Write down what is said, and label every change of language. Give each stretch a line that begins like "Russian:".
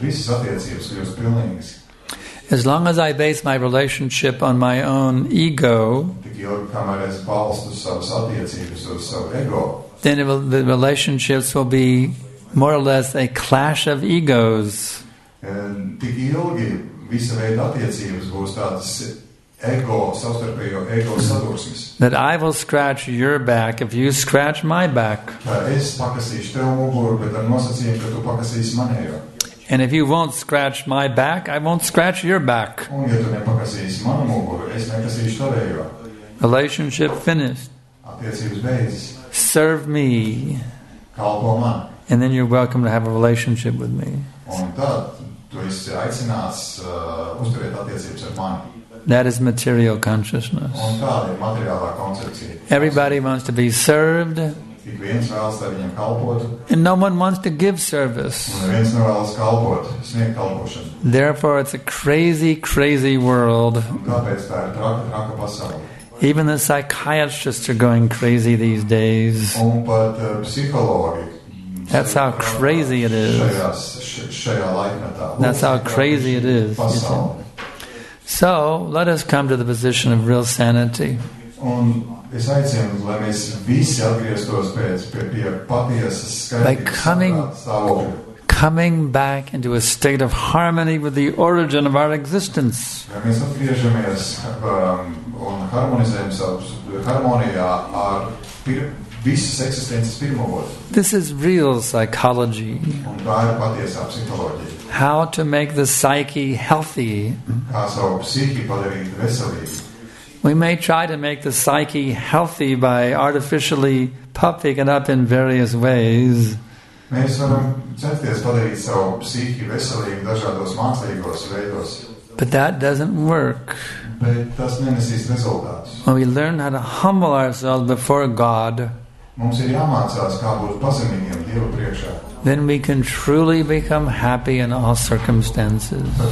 English: As long as I base my relationship on my own ego, then the relationships will be more or less a clash of egos.
Latvian: Tik ilgi visa veida attiecības būs tādas ego, savstarpējo ego sadursmes.
English: That I will scratch your back if you scratch my back.
Latvian: Es pakasīšu tev muguru, bet ar nosacījumu, ka tu pakasīsi manējo.
English: And if you won't scratch my back, I won't scratch your back.
Latvian: Un ja tu nepakasīsi manu muguru, es nepakasīšu tavējo.
English: Relationship finished.
Latvian: Attiecības beidzas.
English: Serve me.
Latvian: Kalpo man.
English: And then you're welcome to have a relationship with me.
Latvian: Un tad tu esi aicināts uzturēt attiecības ar mani.
English: That is material consciousness.
Latvian: Un tāda ir materiālā koncepcija.
English: Everybody wants to be served.
Latvian: Ik viens vēlas, lai viņam kalpot.
English: And no one wants to give service.
Latvian: Un viens nevēlas kalpot, sniegt kalpošanu.
English: Therefore, it's a crazy, crazy world.
Latvian: Un tāpēc tā ir traka, traka pasaule.
English: Even the psychiatrists are going crazy these days.
Latvian: Un pat psihologi.
English: That's how crazy it is.
Latvian: Šajā laikmetā.
English: That's how crazy it is.
Latvian: Pasaule.
English: So, let us come to the position of real sanity.
Latvian: Un es aicinu, lai mēs visi atgrieztos pie patiesas skaidrības stāvokļa.
English: Coming back into a state of harmony with the origin of our existence.
Latvian: Ja mēs atgriežamies un harmonizējam savus harmonijā ar visas eksistences pirmavot.
English: This is real psychology.
Latvian: Un tā ir patiesā psiholoģija.
English: How to make the psyche healthy.
Latvian: Kā savu psihi padarīt veselīgu.
English: We may try to make the psyche healthy by artificially puffing it up in various ways.
Latvian: Mēs varam centies padarīt savu psihi veselīgu dažādos mākslīgos veidos.
English: But that doesn't work.
Latvian: Bet tas nenesīs rezultātus.
English: When we learn how to humble ourselves before God,
Latvian: mums ir jāmācās, kā būt pazemīgiem Dieva priekšā.
English: Then we can truly become happy in all circumstances.